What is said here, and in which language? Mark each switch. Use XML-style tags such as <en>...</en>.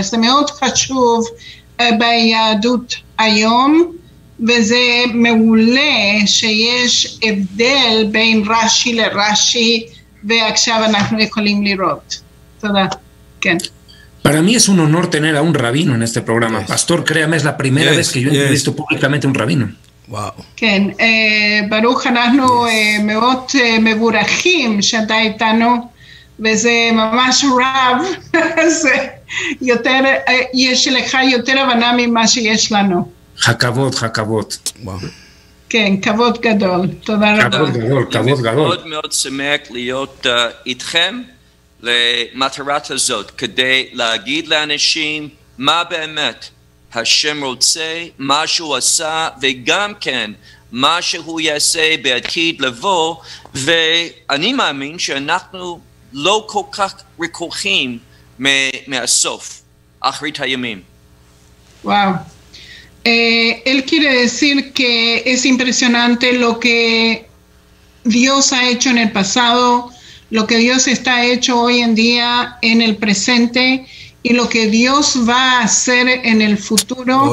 <es>Es muy</es> <he>chashuv ביהדות היום, וזה מעולה שיש הבדל בין רשי לרשי, ועכשיו אנחנו יכולים לראות. תודה. כן.</he> <es>Para mí es un honor tener a un rabino en este programa. Yes. Pastor, créame, es la primera</es> <en>yes.</en> <es>vez que yo he yes. visto públicamente un rabino.</es> <he>Wow. כן. ברוך, אנחנו מאוד מבורכים שאתה איתנו, וזה ממש רב. זה... יותר, יש לך יותר הבנה ממה שיש לנו. הכבוד, הכבוד. כן, כבוד גדול. תודה רבה. כבוד גדול, כבוד גדול. מאוד מאוד שמח להיות איתכם למטרת הזאת, כדי להגיד לאנשים מה באמת השם רוצה, מה שהוא עשה, וגם כן מה שהוא יעשה בעתיד לבוא. ואני מאמין שאנחנו לא כל כך רכוחים מהסוף, אחרית הימים. וואו.</he> <es>Él quiere decir que es impresionante lo que Dios ha hecho en el pasado, lo que Dios está hecho hoy en día en el presente y lo que Dios va a hacer en el futuro.</es>